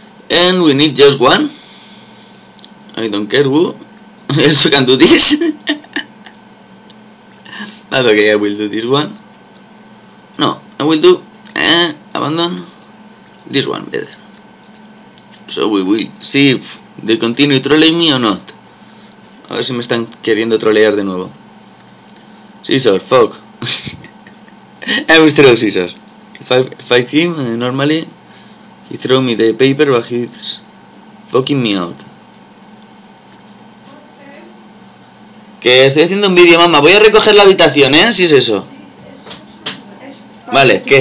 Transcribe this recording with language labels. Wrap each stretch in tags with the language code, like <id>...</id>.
<en>And we need just one. I don't care who. I also can do this. But okay, I will do this one. No, I will do abandon this one better. So we will see if they continue trolling me or not.</en> <es>A ver si me están queriendo trolear de nuevo.</es> <en>Scissors, fuck. I will throw scissors. If I him normally, he throw me the paper, but he's fucking me out. Okay.</en> <es>Que estoy haciendo un vídeo, mamá. Voy a recoger la habitación, ¿eh? Si es eso. Vale, ¿qué?</es>